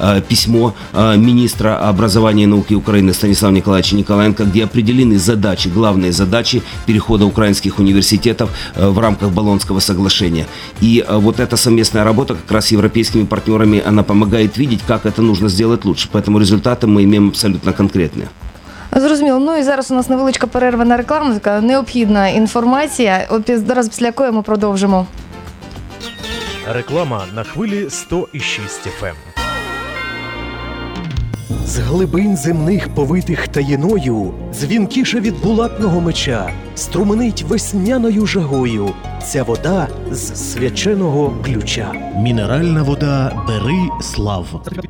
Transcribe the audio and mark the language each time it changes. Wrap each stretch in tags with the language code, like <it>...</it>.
<ru>письмо министра образования и науки Украины Станислава Николаевича Николаенко, где определены задачи, главные задачи перехода украинских университетов в рамках Болонского соглашения. И вот эта совместная работа как раз с европейскими партнерами, она помогает видеть, как это нужно сделать лучше. Поэтому результаты мы имеем абсолютно конкретные.</ru> <uk>Зрозуміло. Ну і зараз у нас невеличка перерва на рекламу, така необхідна інформація. От зараз після якої ми продовжимо. Реклама на хвилі 106 FM. З глибин земних повитих таїною, дзвінкіше від булатного меча, струменить весняною жагою ця вода з свяченого ключа. Мінеральна вода «Бери Слав».</uk>